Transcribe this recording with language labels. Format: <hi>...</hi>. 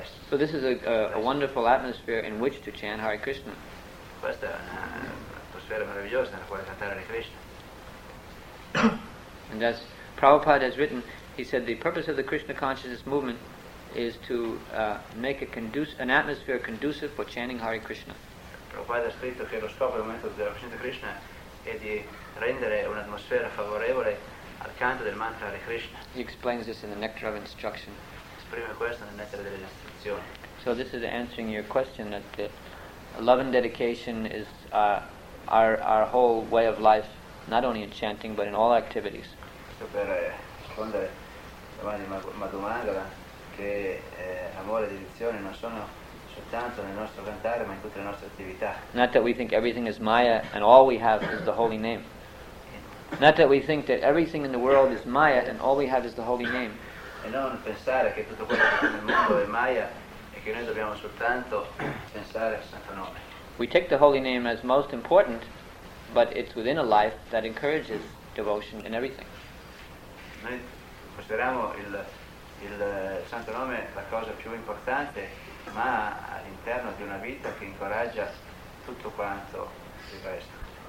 <en>So this is a wonderful atmosphere in which to chant Hare Krishna.</en> <it>Questa è un'atmosfera meravigliosa nella quale cantare Hare Krishna.</it> <en>And as Prabhupada has written, he said the purpose of the Krishna consciousness movement is to make an atmosphere conducive for chanting Hare Krishna.</en> <it>Prabhupada ha scritto che lo scopo del movimento della coscienza di Krishna è di rendere un'atmosfera favorevole al canto del mantra Hare Krishna.</it> <en>He explains this in the Nectar of Instruction.</en> <it>Esprime questo nel Nectar delle Istruzioni.</it> <en>So this is answering your question that the love and dedication is our whole way of life, not only in chanting but in all activities.</en> <it>Questo per rispondere domani Madhumangala, che amore e dedizione non sono soltanto nel nostro cantare ma in tutte le nostre attività.</it> <en>Not that we think everything is Maya and all we have is the holy name. Not that we think that everything in the world is Maya and all we have is the holy name.</en> <it>E non pensare che tutto quello che nel mondo è Maya e che noi dobbiamo soltanto pensare al santo nome.</it> <en>We take the holy name as most important, but it's within a life that encourages devotion in everything.</en> <it>Noi consideriamo il santo nome la cosa più importante, ma all'interno di una vita che incoraggia tutto quanto il resto.</it>